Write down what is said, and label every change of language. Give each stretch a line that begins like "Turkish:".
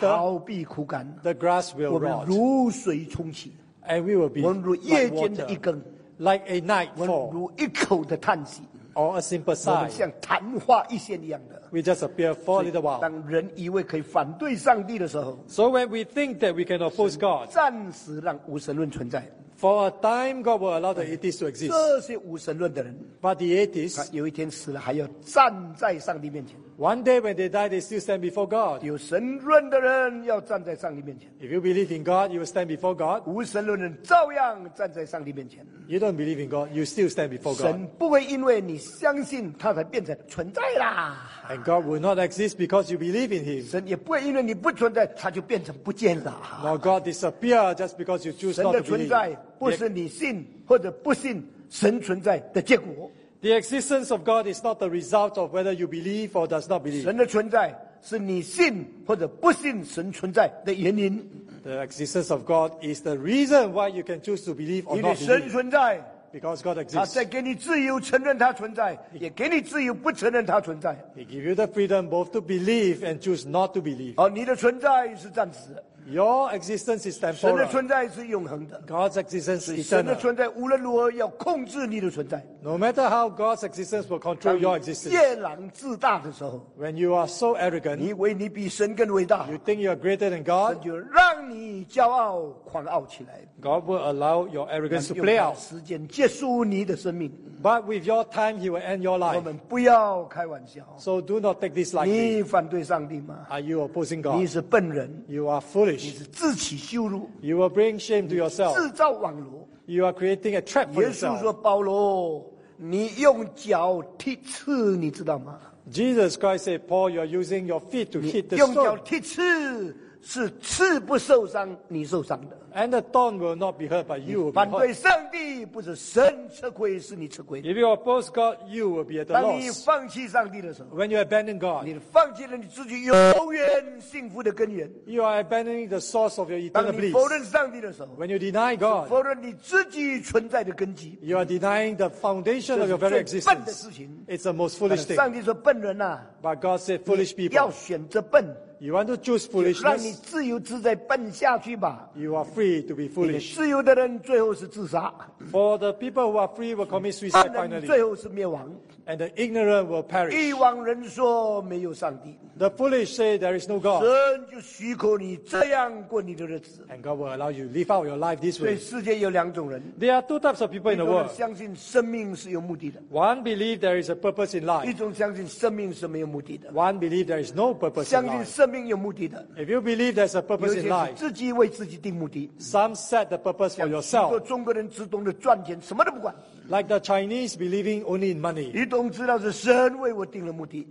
Chinese: 草必枯干。
English: The grass will rot.
Chinese: 我们如水冲起。
English: And we will be like water.
Chinese: 我们如夜间的一根。
English: Like a nightfall.
Chinese: 我们如一口的叹息。
English: Or a simple sigh.
Chinese: 我们像昙花一现一样的。
English: We just appear for a little while.
Chinese: 当人以为可以反对上帝的时候。
English: So when we think that we can oppose God.
Chinese: 暂时让无神论存在。
English: For a time, God will allow the atheists to exist.
Chinese: 这些无神论的人。
English: But the atheists.
Chinese: 有一天死了还要站在上帝面前。
English: One day when they die, they still stand before God.
Chinese: 有神论的人要站在上帝面前。
English: If you believe in God, you will stand before God.
Chinese: 无神论人照样站在上帝面前。
English: You don't believe in God, you still stand before God.
Chinese: 神不会因为你相信他才变成存在啦。
English: And God will not exist because you believe in Him.
Chinese: 神也不会因为你不存在，他就变成不见了。
English: Nor God disappear just because you choose not to believe.
Chinese: 神的存在不是你信或者不信神存在的结果。
English: The existence of God is not the result of whether you believe or does not believe.
Chinese: 神的存在是你信或者不信神存在的原因。
English: The existence of God is the reason why you can choose to believe or not believe.
Chinese: 神存在。
English: Because God exists.
Chinese: 他在给你自由承认他存在，也给你自由不承认他存在。
English: He gives you the freedom both to believe and choose not to believe.
Chinese: 而你的存在是暂时。
English: Your existence is temporal.
Chinese: 神的存在是永恒的。
English: God's existence is eternal.
Chinese: 神的存在无论如何要控制你的存在。
English: No matter how God's existence will control your existence.
Chinese: 夜郎自大的时候。
English: When you are so arrogant.
Chinese: 你以为你比神更伟大。
English: You think you are greater than God.
Chinese: 神就让你骄傲狂傲起来。
English: God will allow your arrogance to play out.
Chinese: 时间结束你的生命。
English: But with your time, he will end your life.
Chinese: 我们不要开玩笑。
English: So do not take this lightly.
Chinese: 你反对上帝吗？
English: Are you opposing God?
Chinese: 你是笨人。
English: You are foolish.
Chinese: 你是自取羞辱。
English: You will bring shame to yourself.
Chinese: 制造网罗。
English: You are creating a trap for yourself.
Chinese: 耶稣说：“保罗，你用脚踢刺，你知道吗？”
English: Jesus Christ said, "Paul, you are using your feet to hit the stone."
Chinese: 用脚踢刺是刺不受伤，你受伤的。
English: And the thorn will not be hurt, but you will be hurt.
Chinese: 反对上帝不是神吃亏，是你吃亏。
English: If you oppose God, you will be at the loss.
Chinese: 当你放弃上帝的时候
English: ，When you abandon God,
Chinese: 你放弃了你自己永远幸福的根源。
English: You are abandoning the source of your eternal bliss.
Chinese: 当你否认上帝的时候
English: ，When you deny God,
Chinese: 否认你自己存在的根基。
English: You are denying the foundation of your very existence.
Chinese: 这是最笨的事情。
English: It's the most foolish thing.
Chinese: 上帝说笨人啊
English: ，But God said foolish people.
Chinese: 要选择笨。
English: You want to choose foolishness?
Chinese: 让你自由自在笨下去吧。
English: You are free to be foolish.
Chinese: 自由的人最后是自杀。
English: For the people who are free will commit suicide finally.
Chinese: 笨人最后是灭亡。
English: And the ignorant will perish.
Chinese: 愚妄人说没有上帝。
English: The foolish say there is no God.
Chinese: 神就许可你这样过你的日子。
English: And God will allow you to live out your life this way.
Chinese: 所以世界有两种人。
English: There are two types of people in the world.
Chinese: 一种相信生命是有目的的。
English: One believe there is a purpose in life.
Chinese: 一种相信生命是没有目的的。
English: One believe there is no purpose in life.
Chinese: 相信生命命有目的的。
English: If you believe there's a purpose in life,
Chinese: 自己为自己定目的。
English: Some set the purpose for yourself.
Chinese: 像许多中国人只懂得赚钱，什么都不管。
English: Like the Chinese believing only in money.
Chinese: 你懂知道是神为我定了目的。